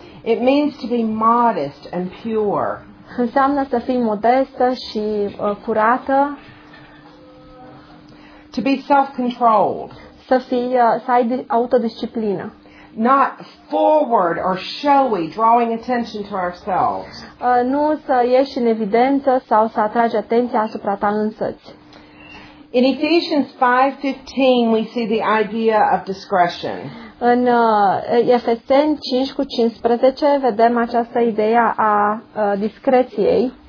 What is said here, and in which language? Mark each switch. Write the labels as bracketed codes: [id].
[en] It means to be modest and pure. [ro] Înseamnă să fii modestă și curată. [en] To be self-controlled. [ro] Să ai autodisciplină. [en] Not forward or showy, drawing attention to ourselves. [ro] Nu să ieși în evidență sau să atragi atenția asupra ta însăți. [en] In Ephesians 5:15, we see the idea of discretion. [ro] În Efeseni 5:15 vedem această idee a discreției.